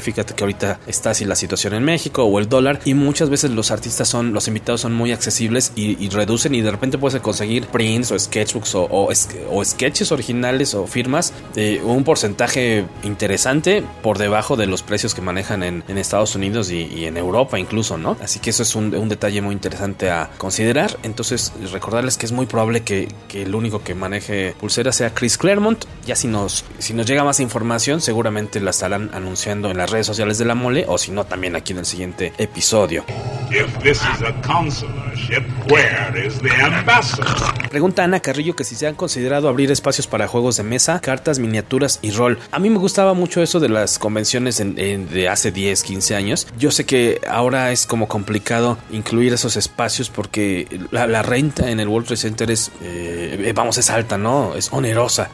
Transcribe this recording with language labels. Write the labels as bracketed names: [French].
[Spanish] Fíjate que ahorita está así la situación en México o el dólar. Y muchas veces los artistas son, los invitados son muy accesibles y reducen, y de repente puedes conseguir prints o sketchbooks o sketches originales o firmas de un porcentaje interesante por debajo de los precios que manejan en Estados Unidos y en Europa incluso, ¿no? Así que eso es un detalle muy interesante a considerar. Entonces, recordarles que es muy probable que el único que maneje pulsera sea Chris Claremont. Ya si nos llega más información, seguramente la estarán anunciando en las redes sociales de La Mole, o si no, también aquí en el siguiente episodio. [English] If this is a consular ship, where is the ambassador? [Spanish] Pregunta Ana Carrillo que si se han considerado abrir espacios para juegos de mesa, cartas, miniaturas y rol. A mí me gustaba mucho eso de las convenciones de hace 10, 15 años. Yo sé que ahora es como complicado incluir esos espacios porque la renta en el World Trade Center es alta, ¿no? Es onerosa.